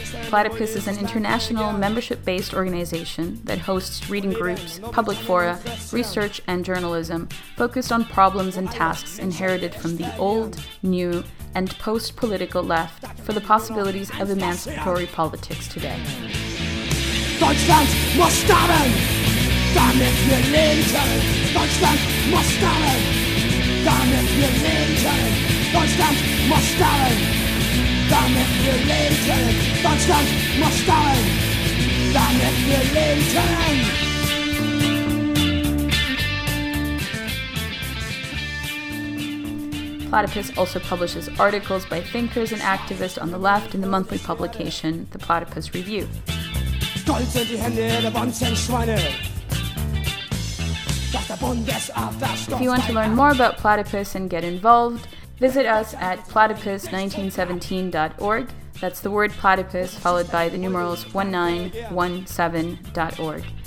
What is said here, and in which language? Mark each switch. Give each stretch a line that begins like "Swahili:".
English: Platypus is an international membership-based organization that hosts reading groups, public fora, research, and journalism focused on problems and tasks inherited from the old, new, and post-political left for the possibilities of emancipatory politics today.
German: Deutschland muss sterben, damit wir leben können. Deutschland muss sterben, damit wir leben können. Deutschland muss sterben, damit wir leben können. Deutschland muss sterben, damit wir leben können.
English: Platypus also publishes articles by thinkers and activists on the left in the monthly publication, The Platypus Review.
German: Gold sind die Hände der Bonzenschweine.
English: If you want to learn more about Platypus and get involved, visit us at platypus1917.org. That's the word platypus followed by the numerals 1917.org.